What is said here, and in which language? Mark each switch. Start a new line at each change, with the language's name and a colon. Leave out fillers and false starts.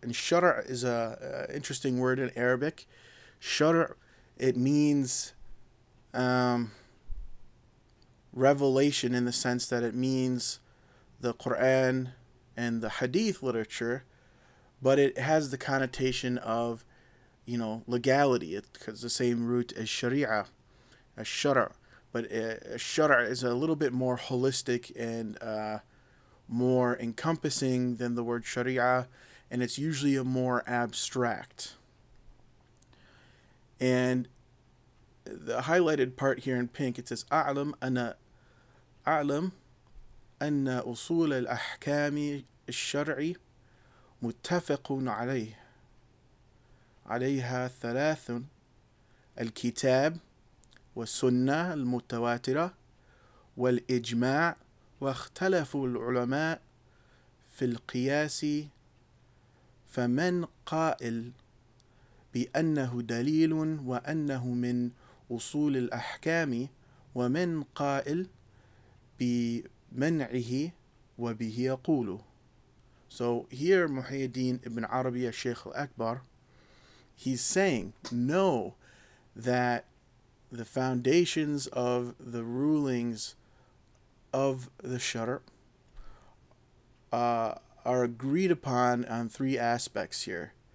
English: And شرع is a interesting word in Arabic. شرع, it means revelation, in the sense that it means the Quran and the Hadith literature, but it has the connotation of, you know, legality. It's the same root as sharia, as shara. But shara is a little bit more holistic and more encompassing than the word sharia, and it's usually a more abstract. And the highlighted part here in pink, it says
Arabic: أعلم أن أعلم أن أصول الأحكام الشرعي متفق عليه عليها ثلاث الكتاب والسنة المتواترة والإجماع واختلف العلماء في القياس فمن قائل بأنه دليل وأنه من أصول الأحكام ومن قائل بمنعه وبه يقول.
English: So here Muḥiyyiddīn ibn Arabi, Shaykh al-Akbar, he's saying, know that the foundations of the rulings of the shara' are agreed upon on three aspects here.